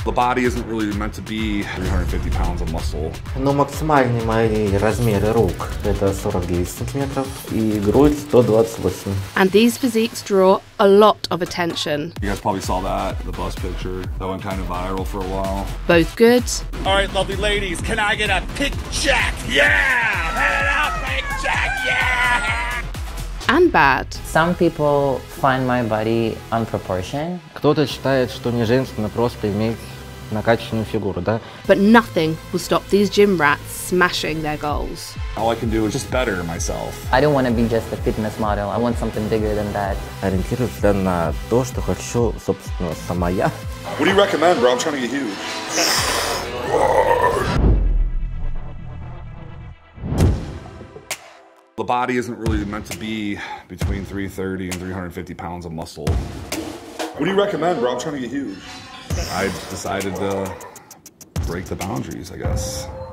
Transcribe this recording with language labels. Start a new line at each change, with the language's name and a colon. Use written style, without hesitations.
English: The body isn't really meant to be 350 pounds of muscle.
Russian: Но максимальные мои размеры рук это 49 сантиметров и грудь 128.
English: And these physiques draw a lot of attention. You guys probably saw that, the bus picture. That went kind of viral for a while. Both good. All right, lovely ladies, can I get a pic check? Yeah! Head it out, pic check, yeah! And bad. Some people find my body unproportioned.
Russian: Кто-то считает, что не женственно просто иметь накачанную фигуру, да?
English: But nothing will stop these gym rats smashing their goals. All I can do is just better myself. I don't want to be just a fitness model. I want something bigger than that.
Russian: Ориентируюсь на то, что хочу, собственно, сама я.
English: What do you recommend, bro? I'm trying to get huge. The body isn't really meant to be between 330 and 350 pounds of muscle. What do you recommend, bro? I'm trying to get huge. I decided to break the boundaries, I guess.